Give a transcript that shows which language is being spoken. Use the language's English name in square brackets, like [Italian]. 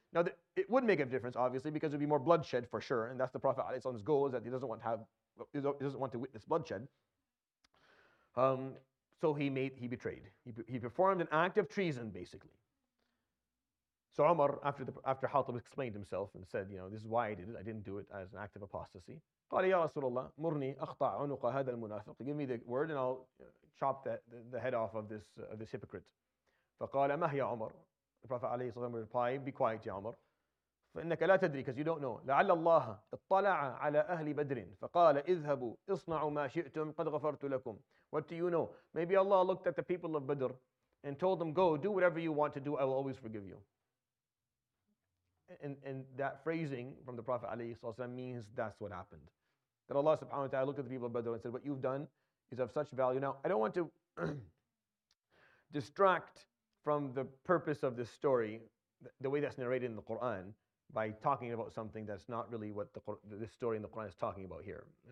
[English] Now, it would make a difference, obviously, because it would be more bloodshed, for sure. And that's the Prophet ﷺ's goal, is that he doesn't want to witness bloodshed. So he betrayed. He performed an act of treason, basically. So Umar, after Hatib explained himself and said, you know, this is why I did it. I didn't do it as an act of apostasy. [Arabic] قال يا رسول الله مرني أقطع عنق هذا المنافق. [English] Give me the word and I'll chop the head off of this hypocrite. [Arabic] فقال ما هي عمر. [English] The Prophet [Arabic] عليه الصلاة والسلام [English] replied, be quiet, [Arabic] يا عمر. فإنك لا تدري, [English] because you don't know. [Arabic] لعل الله اطلع على أهل بدر فقال اذهبوا اصنعوا ما شئتم قد غفرت لكم. [English] What do you know? Maybe Allah looked at the people of Badr and told them, go, do whatever you want to do, I will always forgive you. And that phrasing from the Prophet ﷺ means that's what happened. That Allah subhanahu wa ta'ala looked at the people of Badr and said, what you've done is of such value. Now, I don't want to distract from the purpose of this story, the way that's narrated in the Quran, by talking about something that's not really what this story in the Quran is talking about here.